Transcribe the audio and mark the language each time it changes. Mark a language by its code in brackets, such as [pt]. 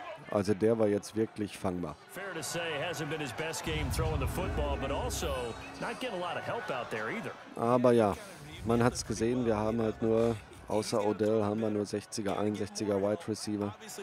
[de] Also der war jetzt wirklich fangbar. [en] Fair to say, hasn't been his best game throwing the football, but also not getting a lot of help out there either. [de] Aber ja. Man hat es gesehen, wir haben halt nur, außer Odell, haben wir nur 60er, 61er Wide Receiver.